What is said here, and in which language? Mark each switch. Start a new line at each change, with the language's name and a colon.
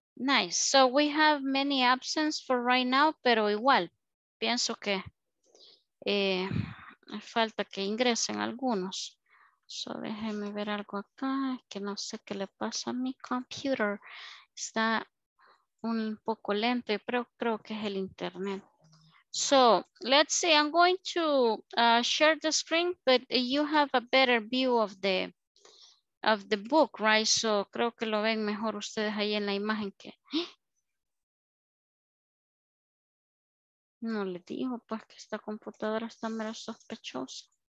English: Nice. So we have many absences for right now,
Spanish: pero igual, pienso que falta que ingresen algunos. So déjenme ver algo acá, que no sé qué le pasa a mi computer. Está un poco lento, pero creo que es el internet.
English: So let's see, I'm going to share the screen, but you have a better view of the book, right?
Spanish: So creo que lo ven mejor ustedes ahí en la imagen que... No le digo, pues, que esta computadora está mero sospechosa.